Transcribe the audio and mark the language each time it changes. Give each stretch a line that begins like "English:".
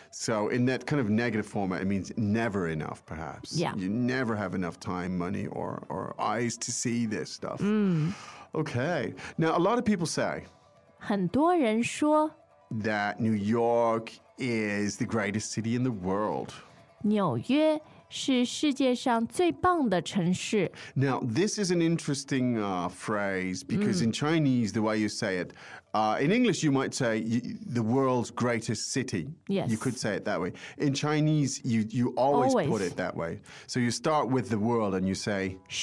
English: So in that kind of negative format, it means never enough, perhaps. Yeah. You never have enough time, money, or eyes to see this stuff. Mm. Okay. Now, a lot of people say...
Chinese: 很多人说...
English: That New York is the greatest city in the world.
Chinese: 纽约是世界上最棒的城市.
English: Now, this is an interesting phrase because in Chinese, the way you say it, in English, you might say the world's greatest city. Yes. You could say it that way. In Chinese, you always put it that way. So you start with the world and you say